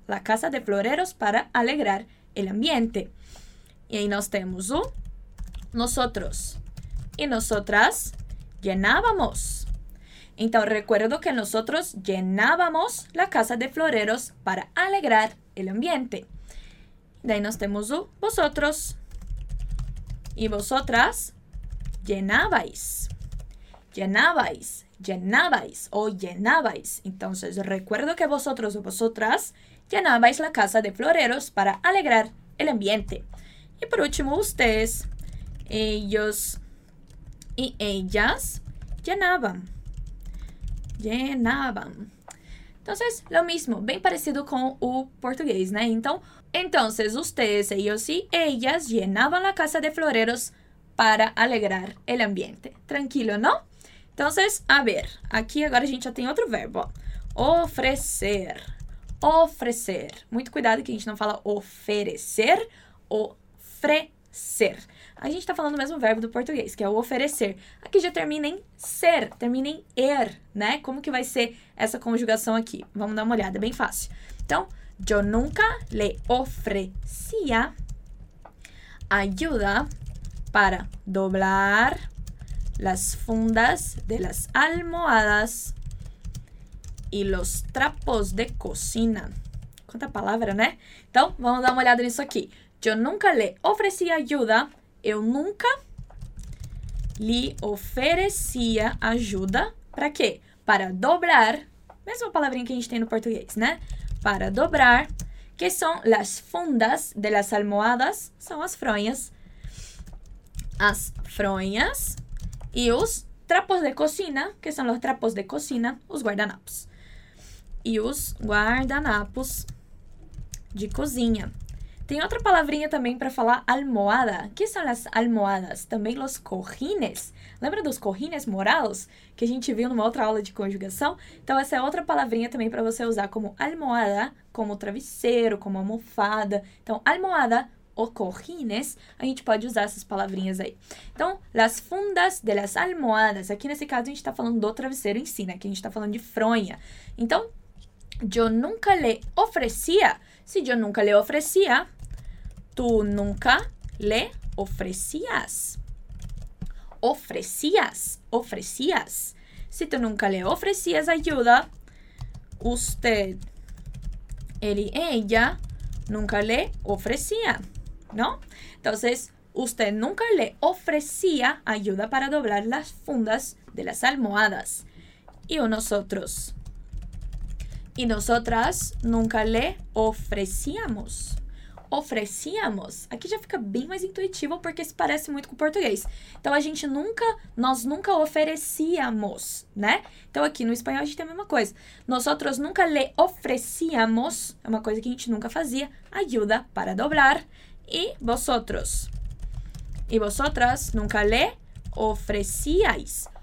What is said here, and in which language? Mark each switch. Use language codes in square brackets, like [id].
[es] La casa de floreros para alegrar el ambiente. [pt] E aí nós temos o nosotros e nosotras llenábamos. Então, [es] recuerdo que nosotros llenábamos la casa de floreros para alegrar el ambiente. [pt] Daí nós temos o vosotros. [es] E vosotras llenabais. Llenabais. llenabais o llenabais. Entonces, recuerdo que vosotros o vosotras llenabais la casa de floreros para alegrar el ambiente. Y por último, ustedes, ellos y ellas llenaban. Llenaban. Entonces, lo mismo, bien parecido con el portugués, ¿no? Entonces, ustedes, ellos y ellas llenaban la casa de floreros para alegrar el ambiente. Tranquilo, ¿no? Entonces, a ver, aquí ahora [pt] a gente [es] ya tiene otro verbo. [pt] Ofrecer. Ofrecer. Muito cuidado que a gente no fala oferecer. [es] Ofrecer. [pt] A gente está falando o mesmo verbo do português, que é o oferecer. Aqui já termina em ser, termina em er, né? Como que vai ser essa conjugação aqui? Vamos dar uma olhada, é bem fácil. Então, [es] yo nunca le ofrecía ayuda para doblar las fundas de las almohadas y los trapos de cocina. [pt] Quanta palavra, né? Então, vamos dar uma olhada nisso aqui. [es] Yo nunca le ofrecía ayuda. [pt] Eu nunca lhe oferecia ajuda. Para quê? Para dobrar. Mesma palavrinha que a gente tem no português, né? Para dobrar. Que são [es] las fundas de las almohadas. [pt] São as fronhas. As fronhas. E os trapos de cocina. Que são os [es] trapos de cocina. [pt] Os guardanapos. E os guardanapos de cozinha. Tem outra palavrinha também para falar almohada. O que são as almohadas? Também os cojines. Lembra dos cojines morados que a gente viu numa outra aula de conjugação? Então, essa é outra palavrinha também para você usar como almohada, como travesseiro, como almofada. Então, almohada ou cojines, a gente pode usar essas palavrinhas aí. Então, [es] las fundas de las almohadas. [pt] Aqui, nesse caso, a gente está falando do travesseiro em si, né? Que a gente está falando de fronha. Então, [es] yo nunca le ofrecía. Si yo nunca le ofrecía, tú nunca le ofrecías. Ofrecías, ofrecías. Si tú nunca le ofrecías ayuda, usted, él y ella, nunca le ofrecía, ¿no? Entonces, usted nunca le ofrecía ayuda para doblar las fundas de las almohadas. Y nosotros... Y nosotras nunca le ofrecíamos. Ofrecíamos. [pt] Aqui já fica bem mais intuitivo porque se parece muito com o português. Então, a gente nunca, nós nunca oferecíamos, né? Então, aqui no espanhol a gente tem a mesma coisa. [es] Nosotros nunca le ofrecíamos, [pt] é uma coisa que a gente nunca fazia, ayuda para dobrar. E vosotros. [es] E vosotras nunca le ofrecíais.